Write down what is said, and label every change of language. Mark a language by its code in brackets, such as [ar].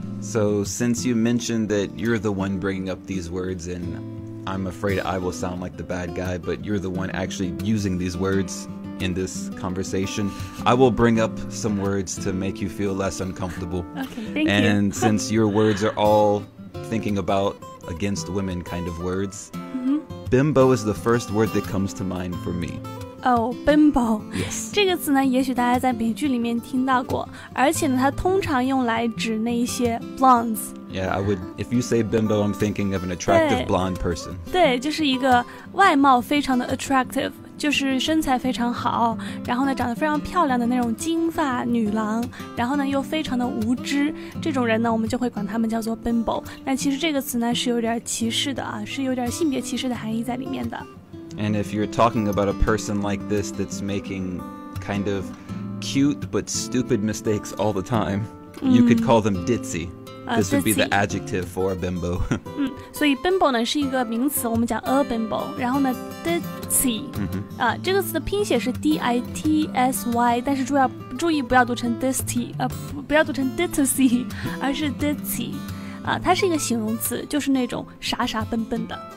[en] So since you mentioned that you're the one bringing up these words and I'm afraid I will sound like the bad guy, but you're the one actually using these words in this conversation, I will bring up some words to make you feel less uncomfortable. Okay, thank and you. And since your words are all thinking about against women kind of words, bimbo is the first word that comes to mind for me. Bimbo. Yes. [zh] 这个词呢也许大家在美剧里面听到过而且呢它通常用来指那一些 blondes. [en] Yeah, I would, if you say bimbo, I'm thinking of an attractive blonde person. [zh] 对就是一个外貌非常的 attractive, 就是身材非常好然后呢长得非常漂亮的那种金发女郎然后呢又非常的无知这种人呢我们就会管他们叫做 bimbo. 那其实这个词呢是有点歧视的啊是有点性别歧视的含义在里面的。 [en] And if you're talking about a person like this that's making kind of cute but stupid mistakes all the time, you could call them ditzy. This would be the adjective for a bimbo. [zh] 所以 bimbo 呢是一个名词我们讲 a bimbo, 然后呢 ditzy,、这个词的拼写是 D-I-T-S-Y, 但是注意不要读成 ditzy,、不要读成 ditzy, 而是 ditzy,、它是一个形容词就是那种傻傻笨笨的。